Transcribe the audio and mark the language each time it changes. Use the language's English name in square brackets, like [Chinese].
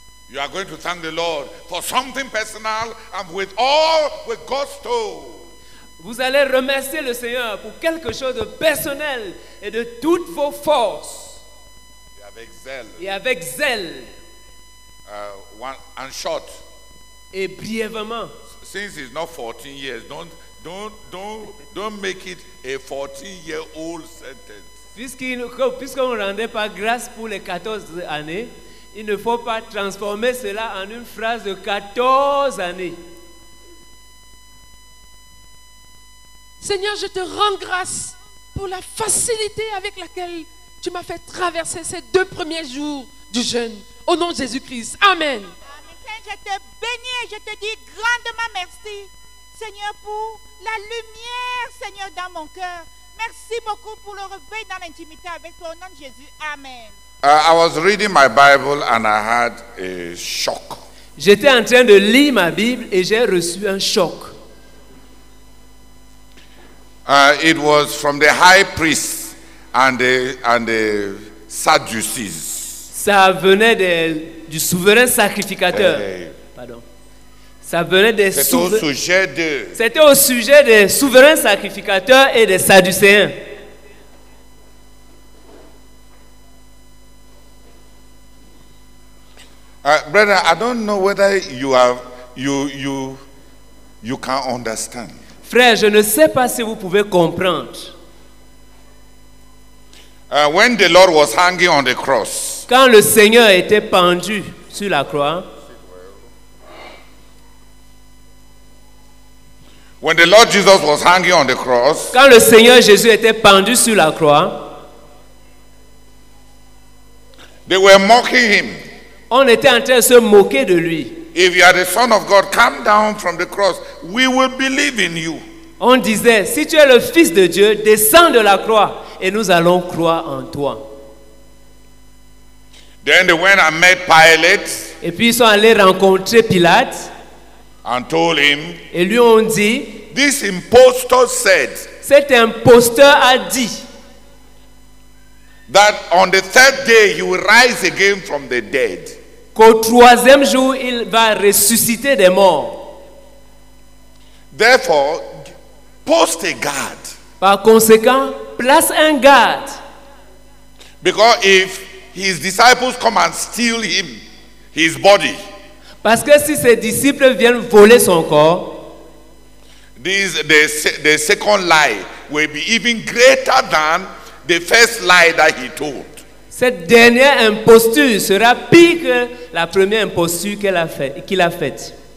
[English] You are going to thank the Lord for something personal and with all with God's toe. [French] Vous allez remercier le Seigneur pour quelque chose de personnel et de toutes vos forces. Et avec zèle. Et avec zèle. [English] And short. [French] Et brièvement. [English] Since it's not 14 years, don't make it a 14-year-old sentence. [French] Puisqu'on ne rendait pas grâce pour les 14 années, il ne faut pas transformer cela en une phrase de 14 années. Seigneur, je te rends grâce pour la facilité avec laquelle tu m'as fait traverser ces deux premiers jours du jeûne. Au nom de Jésus-Christ. Amen. Amen. Je te bénis et je te dis grandement merci, Seigneur, pour la lumière, Seigneur, dans mon cœur. Merci beaucoup pour le réveil dans l'intimité avec toi. Au nom de Jésus. Amen. [English] I was reading my Bible and I had a shock. [French] J'étais en train de lire ma Bible et j'ai reçu un choc. [English] It was from the high priest and the Sadducees. [French] Ça venait du souverain sacrificateur. Pardon. Ça venait des C'était au sujet des souverains sacrificateurs et des Sadducéens. [English] Brother, I don't know whether you can understand. [French] Frère, je ne sais pas si vous pouvez comprendre. [English] When the Lord was hanging on the cross. [French] Quand le Seigneur était pendu sur la croix. [English] When the Lord Jesus was hanging on the cross. [French] Quand le Seigneur Jésus était pendu sur la croix. [English] They were mocking him. [French] On était en train de se moquer de lui. [English] If you are the son of God, come down from the cross. We will believe in you. [French] On disait, si tu es le fils de Dieu, descends de la croix et nous allons croire en toi. [English] Then they went and met Pilate. [French] Et puis ils sont allés rencontrer Pilate. [English] And told him. [French] Et lui ont dit. [English] This impostor said. [French] Cet imposteur a dit. [English] That on the third day he will rise again from the dead. [French] Qu'au troisième jour il va ressusciter des morts. [English] Therefore, post a guard. [French] Par conséquent, place un garde. [English] Because if his disciples come and steal him, his body. [French] Parce que si ses disciples viennent voler son corps. [English] This the second lie will be even greater than. The first lie that he told. [French] Cette dernière imposture sera pire que la première imposture qu'il a faite.